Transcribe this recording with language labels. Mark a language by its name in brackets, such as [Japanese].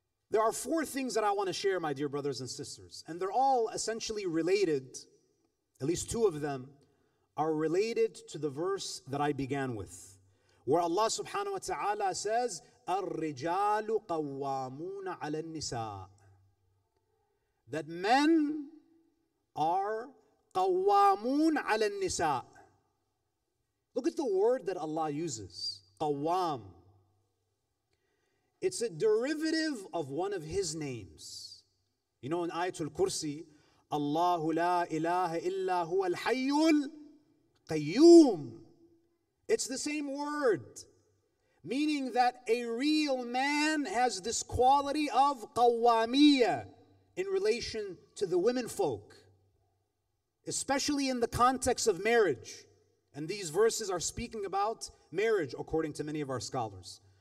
[English] There are four things that I want to share, my dear brothers and sisters, and they're all essentially related, at least two of them, are related to the verse that I began with, where Allah subhanahu wa ta'ala says, [Arabic] الرجال قوامون على النساء. [English] That men are [Arabic] قوامون على النساء. [English] Look at the word that Allah uses, قوام. It's a derivative of one of His names. You know, in Ayatul Kursi, [Arabic] الله لا إله إلا هو الحي القيوم. [English] It's the same word, meaning that a real man has this quality of قوامية in relation to the women folk, especially in the context of marriage. And these verses are speaking about marriage, according to many of our scholars.